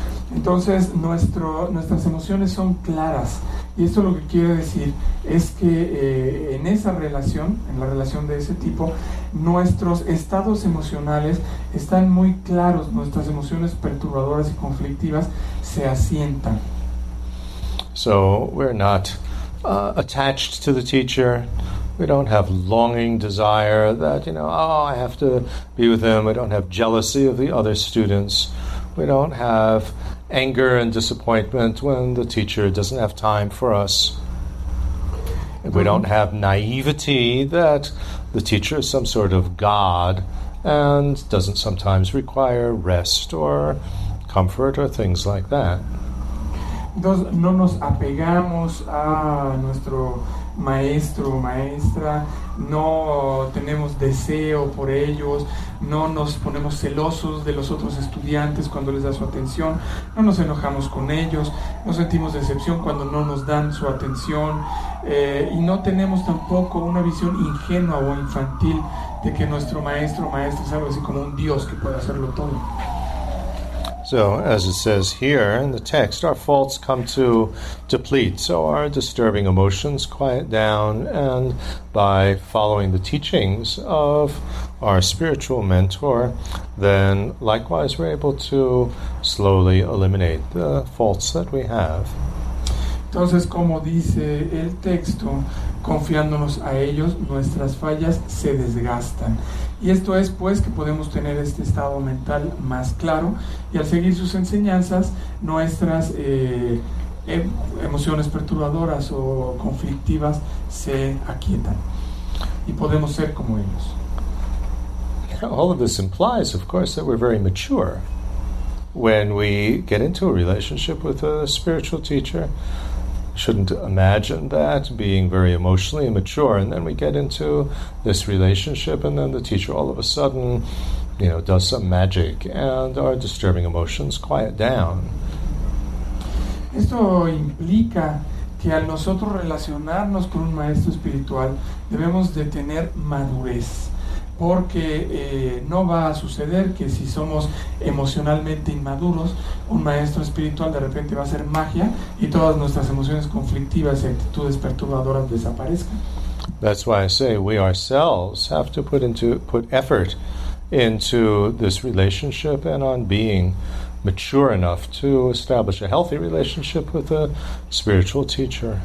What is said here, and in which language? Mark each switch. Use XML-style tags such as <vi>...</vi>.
<es>Entonces nuestras emociones son claras, y esto lo que quiere decir es que en esa relación, en la relación de ese tipo, nuestros estados emocionales están muy claros, nuestras emociones perturbadoras y conflictivas se asientan.</es> <en>So we're not attached to the teacher. We don't have longing desire that, you know, oh, I have to be with him. We don't have jealousy of the other students. We don't have anger and disappointment when the teacher doesn't have time for us. We don't have naivety that the teacher is some sort of god and doesn't sometimes require rest or comfort or things like that.</en> <es>Entonces, no nos apegamos a nuestro maestro o maestra, no tenemos deseo por ellos, no nos ponemos celosos de los otros estudiantes cuando les da su atención, no nos enojamos con ellos, no sentimos decepción cuando no nos dan su atención, y no tenemos tampoco una visión ingenua o infantil de que nuestro maestro o maestra es algo así como un dios que puede hacerlo todo.</es> <en>So, as it says here in the text, our faults come to deplete, so our disturbing emotions quiet down, and by following the teachings of our spiritual mentor, then likewise we're able to slowly eliminate the faults that we have.</en> <es>Entonces, como dice el texto, confiándonos a ellos, nuestras fallas se desgastan. Y esto es, pues, que podemos tener este estado mental más claro, y al seguir sus enseñanzas, nuestras emociones perturbadoras o conflictivas se aquietan, y podemos ser como ellos.</es> <en>All of this implies, of course, that we're very mature. When we get into a relationship with a spiritual teacher, shouldn't imagine that being very emotionally immature, and then we get into this relationship and then the teacher all of a sudden, you know, does some magic and our disturbing emotions quiet down.</en> <es>Esto implica que al nosotros relacionarnos con un maestro espiritual debemos de tener madurez, porque no va a suceder que si somos emocionalmente inmaduros, un maestro espiritual de repente va a hacer magia y todas nuestras emociones conflictivas y actitudes perturbadoras desaparezcan.</es> <en>That's why I say we ourselves have to put effort into this relationship and on being mature enough to establish a healthy relationship with a spiritual teacher.</en>